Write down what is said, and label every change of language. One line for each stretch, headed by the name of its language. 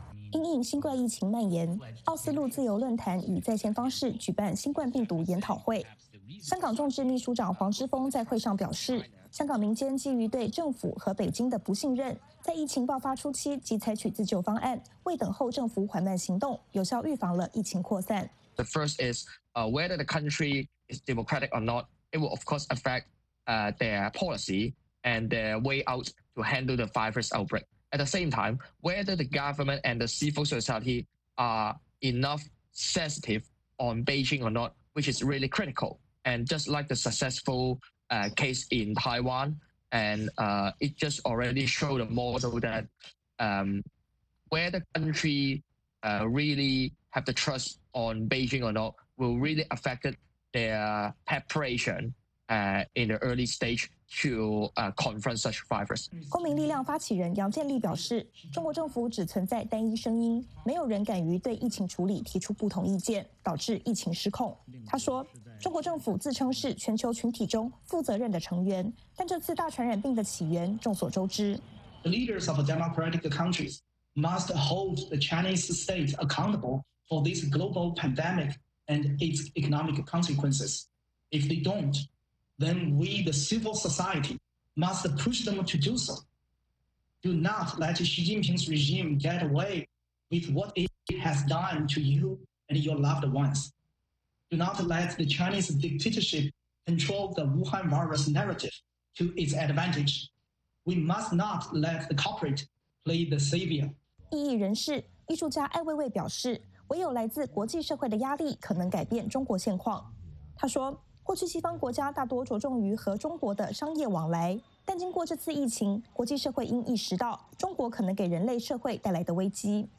Chinese: 因应新冠疫情蔓延，奥斯陆自由论坛以在线方式举办新冠病毒研讨会。香港众志秘书长黄之锋在会上表示，香港民间基于对政府和北京的不信任，在疫情爆发初期即采取自救方案，未等候政府缓慢行动，有效预防了疫情扩散。
English: The first is whether the country is democratic or not, it will of course affect their policy and their way out to handle the virus outbreak. At the same time, whether the government and the civil society are enough sensitive on Beijing or not, which is really critical. And just like the successful case in Taiwan, and it just already showed a model that whether the country really have the trust on Beijing or not will really affect their preparation in the early stage. To confront such virus.
Chinese: 公民力量发起人杨建立表示，中国政府只存在单一声音，没有人敢于对疫情处理提出不同意见，导致疫情失控。他说，中国政府自称是全球群体中负责任的成员，但这次大传染病的起源众所周知。
English: The leaders of democratic countries must hold the Chinese state accountable for this global pandemic and its economic consequences. If they don't,then we, the civil society, must push them to do so. Do not let Xi Jinping's regime get away with what it has done to you and your loved ones. Do not let the Chinese dictatorship control the Wuhan virus narrative to its advantage. We must not let the culprit play the savior.
Chinese: 异议人士、艺术家艾薇薇表示，唯有来自国际社会的压力可能改变中国现况。他说，过去西方国家大多着重于和中国的商业往来，但经过这次疫情，国际社会应意识到中国可能给人类社会带来的危机。